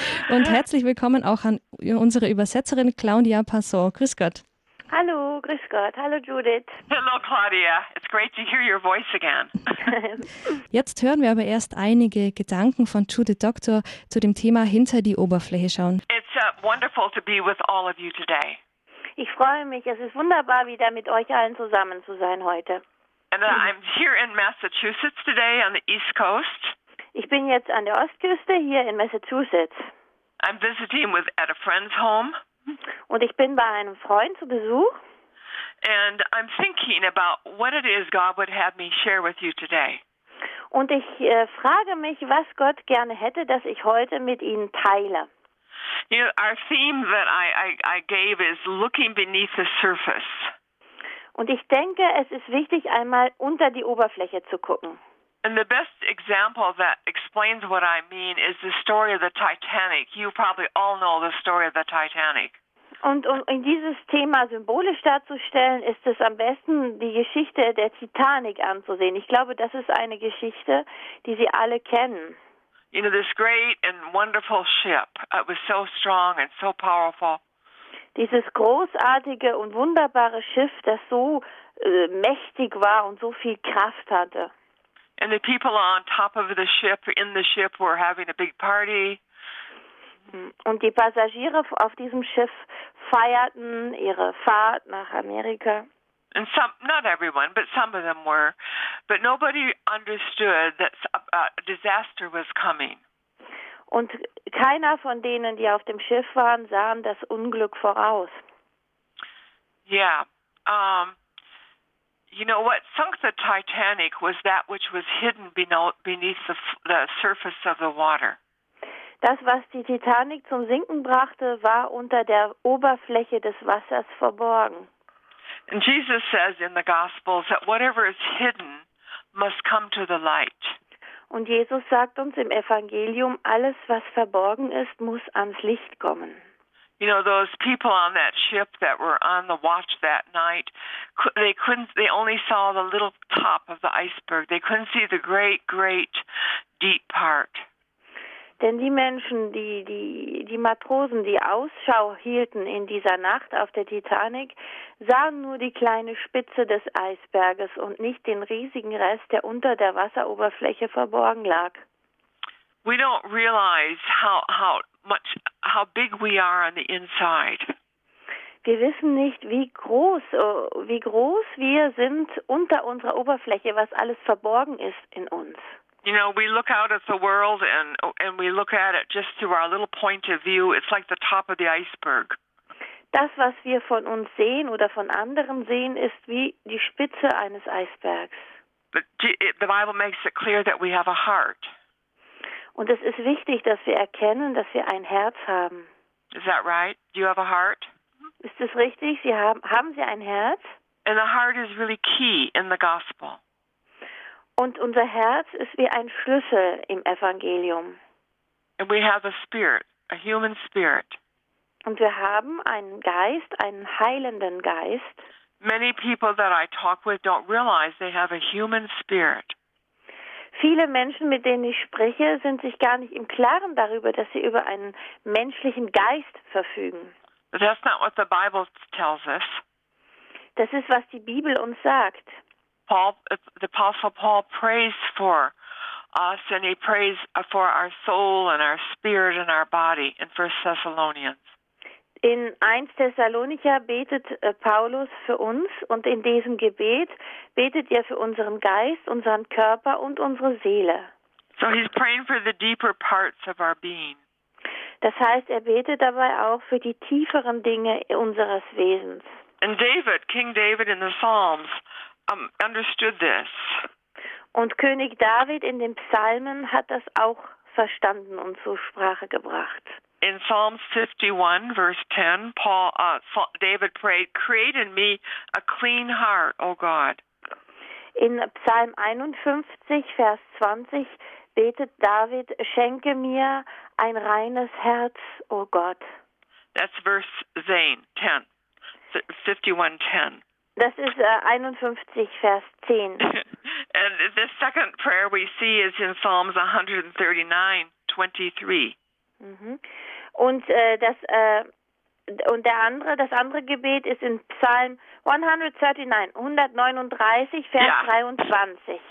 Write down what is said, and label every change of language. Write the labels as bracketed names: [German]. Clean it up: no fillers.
[German] Und herzlich willkommen auch an unsere Übersetzerin Claudia Passon. Grüß Gott. Hallo, grüß Gott. Hallo, Judith. [English] Hello, Claudia. It's great to hear your voice again. [German] Jetzt hören wir aber erst einige Gedanken von Judith Doctor zu dem Thema hinter die Oberfläche schauen. [English] It's wonderful to be with all of you today. [German] Ich freue mich. Es ist wunderbar, wieder mit euch allen zusammen zu sein heute. [English] And I'm here in Massachusetts today on the East Coast. [German] Ich bin jetzt an der Ostküste hier in Massachusetts. [English] I'm visiting with at a friend's home. [German] Und ich bin bei einem Freund zu Besuch. [English] And I'm thinking about what it is God would have me share with you today. [German] Und ich frage mich, was Gott gerne hätte, dass ich heute mit Ihnen teile. [English] You know, our theme that I gave is looking beneath the surface. [German] Und ich denke, es ist wichtig, einmal unter die Oberfläche zu gucken. [English] And the best example that explains what I mean is the story of the Titanic. You probably all know the story of the Titanic. [German] Und um in dieses Thema symbolisch darzustellen, ist es am besten, die Geschichte der Titanic anzusehen. Ich glaube, das ist eine Geschichte, die Sie alle kennen. [English] You know, this great and wonderful ship. It was so strong and so powerful. [German] Dieses großartige und wunderbare Schiff, das so mächtig war und so viel Kraft hatte. [English] And the people on top of the ship, in the ship, were having a big party. [German] Und die Passagiere auf diesem Schiff feierten ihre Fahrt nach Amerika. [English] And some, not everyone, but some of them were. But nobody understood that a disaster was coming. [German] Und keiner von denen, die auf dem Schiff waren, sahen das Unglück voraus. [English] Yeah. You know, what sunk the Titanic was that which was hidden beneath the surface of the water. [German] Das, was die Titanic zum Sinken brachte, war unter der Oberfläche des Wassers verborgen. [English] And Jesus says in the Gospels that whatever is hidden must come to the light. [German] Und Jesus sagt uns im Evangelium, alles, was verborgen ist, muss ans Licht kommen. [English] You know, those people on that ship that were on the watch that night, they only saw the little top of the iceberg. They couldn't see the great, great, deep part. [German] Denn die Menschen, die Matrosen, die Ausschau hielten in dieser Nacht auf der Titanic, sahen nur die kleine Spitze des Eisberges und nicht den riesigen Rest, der unter der Wasseroberfläche verborgen lag. [English] We don't realize how big we are on the inside. [German] Wir wissen nicht, wie groß wir sind unter unserer Oberfläche, was alles verborgen ist in uns. [English] You know, we look out at the world and we look at it just through our little point of view. It's like the top of the iceberg. [German] Das, was wir von uns sehen oder von anderen sehen, ist wie die Spitze eines Eisbergs. [English] But the Bible makes it clear that we have a heart. [German] Und es ist wichtig, dass wir erkennen, dass wir ein Herz haben. [English] Is that right? Do you have a heart? [German] Ist es richtig? Haben Sie ein Herz? [English] And the heart is really key in the gospel. [German] Und unser Herz ist wie ein Schlüssel im Evangelium. [English] And we have a spirit, a human spirit. [German] Und wir haben einen Geist, einen heilenden Geist. [English] Many people that I talk with don't realize they have a human spirit. [German] Viele Menschen, mit denen ich spreche, sind sich gar nicht im Klaren darüber, dass sie über einen menschlichen Geist verfügen. [English] But that's not what the Bible tells us. [German] Das ist, was die Bibel uns sagt. [English] the Apostle Paul prays for us, and he prays for our soul and our spirit and our body in 1 Thessalonians. [German] In 1 Thessalonicher betet Paulus für uns, und in diesem Gebet betet er für unseren Geist, unseren Körper und unsere Seele. [English] So he's praying for the deeper parts of our being. [German] Das heißt, er betet dabei auch für die tieferen Dinge unseres Wesens. [English] And David, King David in the Psalms, understood this. [German] Und König David in den Psalmen hat das auch verstanden und zur Sprache gebracht. [English] In Psalms 51, verse 10, David prayed, "Create in me a clean heart, O God." [German] In Psalm 51, Vers 20, betet David, "Schenke mir ein reines Herz, O Gott." [English] That's verse 10. 51:10. [German] Das ist 51, Vers 10. [English] And the second prayer we see is in Psalms 139:23. Mhm. [German] Und das andere Gebet ist in Psalm 139, Vers 23.